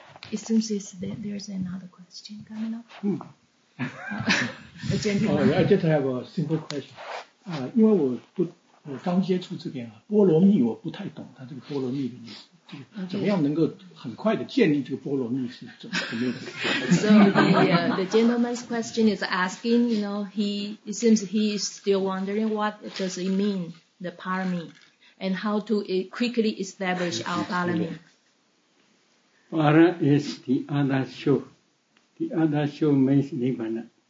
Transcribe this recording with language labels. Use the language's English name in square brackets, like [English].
[English] It seems as that there's another question coming up. I just have a simple question. [Chinese] 因为我刚接触这边啊，波罗蜜我不太懂，它这个波罗蜜的意思，这个怎么样能够很快的建立这个波罗蜜是怎么样的？ [English] So the gentleman's question is asking, you know, it seems he is still wondering what does it mean the parami. And how to quickly establish our parami. Para is the other show. The other show means nibbana.